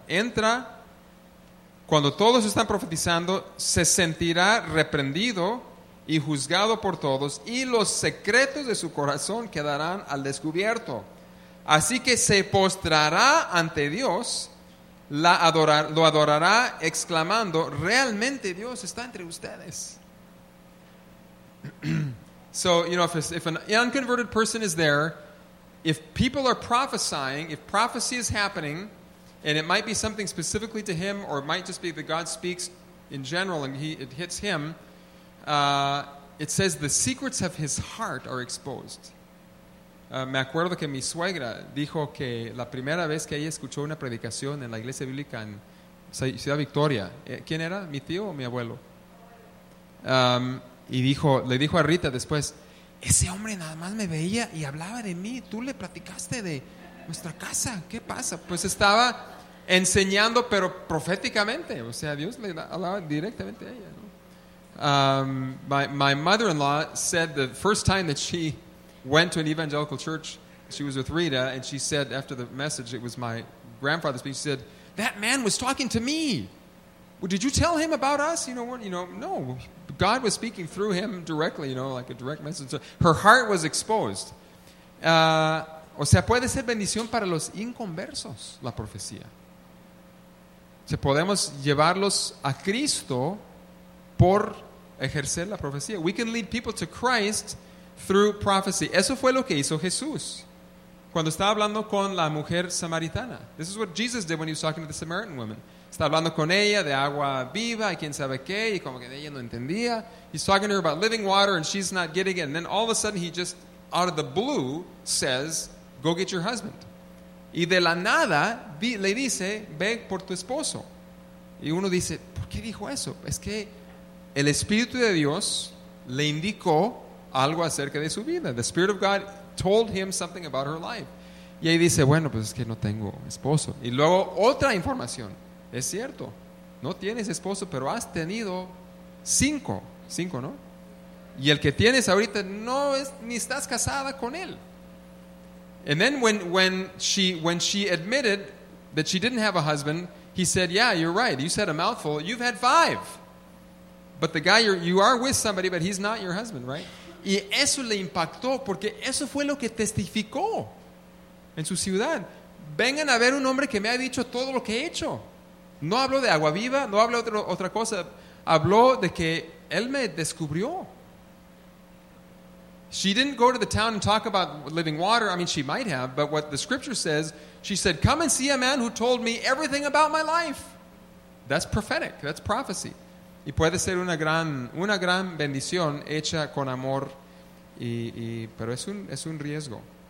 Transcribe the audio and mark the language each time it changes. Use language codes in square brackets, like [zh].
[es] Entra, cuando todos están profetizando, se sentirá reprendido y juzgado por todos y los secretos de su corazón quedarán al descubierto. Así que se postrará ante Dios, lo adorará exclamando, realmente Dios está entre ustedes. [en] So, you know, if an unconverted person is there, if people are prophesying, if prophecy is happening, and it might be something specifically to him, or it might just be that God speaks in general and it hits him, it says the secrets of his heart are exposed. [es] Me acuerdo que mi suegra dijo que la primera vez que ella escuchó una predicación en la iglesia bíblica en Ciudad Victoria, ¿quién era? ¿Mi tío o mi abuelo? Y dijo, le dijo a Rita después, ese hombre nada más me veía y hablaba de mí, tú le platicaste de nuestra casa, ¿qué pasa? Pues estaba enseñando, pero proféticamente, o sea, Dios le hablaba directamente a ella, ¿no? [en] My mother-in-law said the first time that she went to an evangelical church. She was with Rita, and she said after the message, it was my grandfather speaking. She said, "That man was talking to me. Well, did you tell him about us? You know what? You know, no. God was speaking through him directly. You know, like a direct message. So her heart was exposed. [es] O sea, puede ser bendición para los inconversos la profecía. O sea, podemos llevarlos a Cristo por ejercer la profecía. [en] We can lead people to Christ through prophecy. [es] Eso fue lo que hizo Jesús cuando estaba hablando con la mujer samaritana. [en] This is what Jesus did when he was talking to the Samaritan woman. [es] Está hablando con ella de agua viva y quién sabe qué, y como que ella no entendía. [en] He's talking to her about living water and she's not getting it. And then all of a sudden he just out of the blue says, go get your husband. [es] Y de la nada le dice, ve por tu esposo. Y uno dice, ¿por qué dijo eso? Es que el Espíritu de Dios le indicó algo acerca de su vida. [en] The Spirit of God told him something about her life. [es] Y ahí dice, bueno, pues es que no tengo esposo. Y luego otra información. Es cierto, no tienes esposo, pero has tenido cinco, ¿no? Y el que tienes ahorita no es, ni estás casada con él. [en] And then when she admitted that she didn't have a husband, he said, yeah, you're right. You said a mouthful. You've had five. But the guy, you are with somebody, but he's not your husband, right? [es] Y eso le impactó porque eso fue lo que testificó en su ciudad. Vengan a ver un hombre que me ha dicho todo lo que he hecho. No habló de agua viva, no habló de otra cosa. Habló de que él me descubrió. [en] She didn't go to the town and talk about living water. I mean, she might have, but what the scripture says, she said, come and see a man who told me everything about my life. That's prophetic. That's prophecy. [es] Y puede ser una gran bendición hecha con amor, pero es un riesgo.